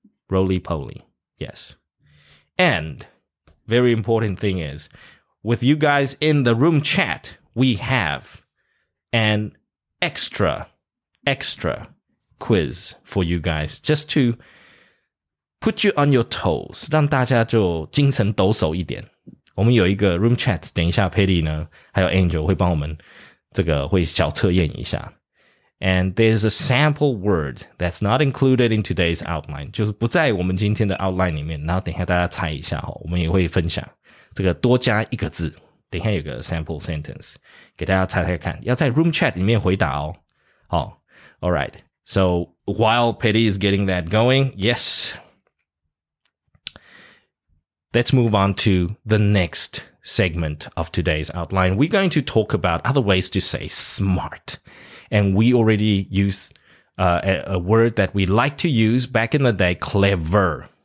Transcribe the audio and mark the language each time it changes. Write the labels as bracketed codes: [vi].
[en] Roly-poly, yes. And very important thing is, with you guys in the room chat, we have an extra quiz for you guys just to... Put you on your toes, [zh] 让大家就精神抖擞一点。我们有一个 room chat, 等一下 Patty 呢还有 Angel 会帮我们这个会小测验一下。 [en] And there's a sample word that's not included in today's outline, [zh] 就是不在我们今天的 outline 里面，然后等一下大家猜一下，我们也会分享这个多加一个字，等一下有个 sample sentence, 给大家猜猜看，要在 room chat 里面回答哦。 [en] 好 ,alright, so while Patty is getting that going, yes,Let's move on to the next segment of today's outline. We're going to talk about other ways to say smart. And we already use a word that we like to use back in the day, clever.